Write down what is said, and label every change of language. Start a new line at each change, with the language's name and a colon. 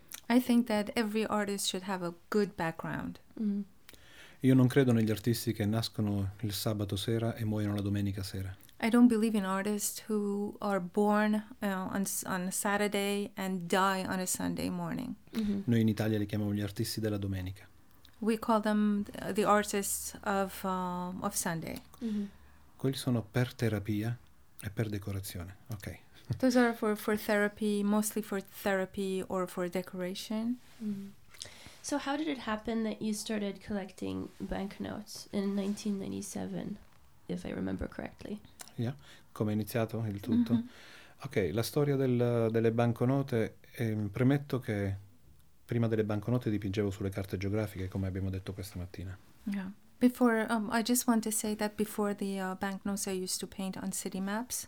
English: I think that every artist should have a good background. Mm-hmm.
Italian: Io non credo negli artisti che nascono il sabato sera e muoiono la domenica sera.
English: I don't believe in artists who are born on a Saturday and die on a Sunday morning. Mm-hmm.
Italian: Noi in Italia li chiamiamo gli artisti della domenica.
English: We call them the artists of Sunday. Mm-hmm.
Italian: Quelli sono per terapia e per decorazione, ok.
English: Those are for therapy, mostly for therapy or for decoration. Mm-hmm. So how did it happen that you started collecting banknotes in 1997, if I remember correctly?
Italian: Yeah, come è iniziato il tutto? Mm-hmm. Ok, la storia delle banconote, premetto che prima delle banconote dipingevo sulle carte geografiche, come abbiamo detto questa mattina.
English: Yeah, before, I just want to say that before the banknotes I used to paint on city maps,